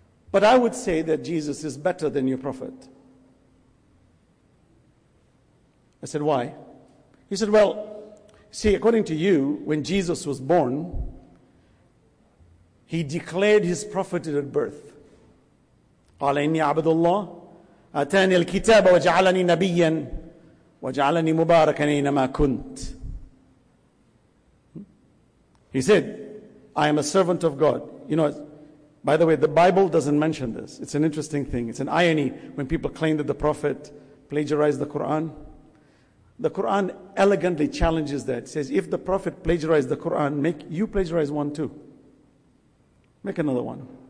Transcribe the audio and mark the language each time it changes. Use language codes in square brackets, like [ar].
[en] But I would say that Jesus is better than your prophet. I said, why? He said, well, see, according to you, when Jesus was born, he declared his prophethood at birth. [ar] قال إني عبد الله أتاني الكتاب وجعلني نبيا وجعلني مباركا أينما كنت. [en] He said, I am a servant of God. You know, by the way, the Bible doesn't mention this. It's an interesting thing. It's an irony when people claim that the prophet plagiarized the Quran. The Quran elegantly challenges that. It says, if the prophet plagiarized the Quran, make you plagiarize one too. Make another one.